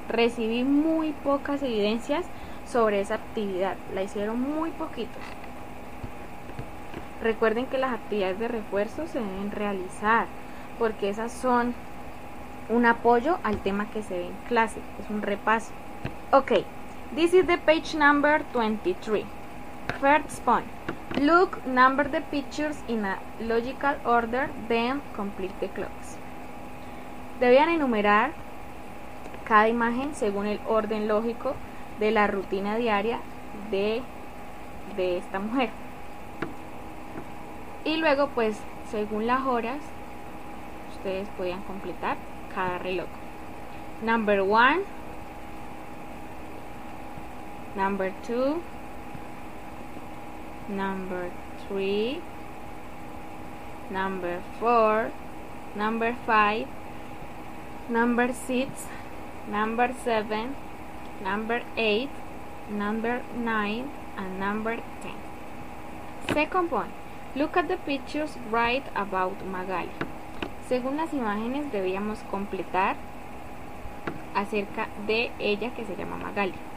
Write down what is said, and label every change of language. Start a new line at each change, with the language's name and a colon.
Spanish: Recibí muy pocas evidencias sobre esa actividad. La hicieron muy poquitos. Recuerden que las actividades de refuerzo se deben realizar porque esas son un apoyo al tema que se ve en clase. Es un repaso.
English: Ok, this is the page number 23. First point, look number the pictures in a logical order, then complete the clocks.
Spanish: Debían enumerar cada imagen según el orden lógico de la rutina diaria de esta mujer. Y luego, pues, según las horas, ustedes podían completar cada reloj.
English: Number one, number two, number 3, number 4, number 5, number 6, number 7, number 8, number 9, and number 10. Second point, look at the pictures right about Magali.
Spanish: Según las imágenes debíamos completar acerca de ella, que se llama Magali.